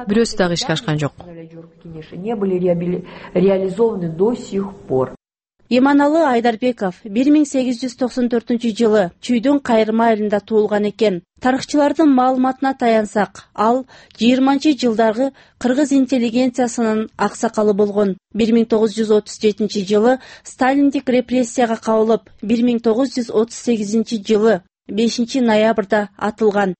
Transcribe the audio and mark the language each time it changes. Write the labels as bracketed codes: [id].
[ky] Бирөөсү дагы ишке ашкан жок. [ru] Не были реализованы до сих пор. [ky] Иманалы Айдарбеков 1894 жылы Чүйдүн кайрыма айылында туулган экен. Тарыхчылардын маалыматына таянсак, ал 20-чы жылдагы кыргыз интеллигенциясынын аксакалы болгон. 1937 жылы Сталиндик репрессияга кабылып, 1938 жылы 5 ноябрда атылган.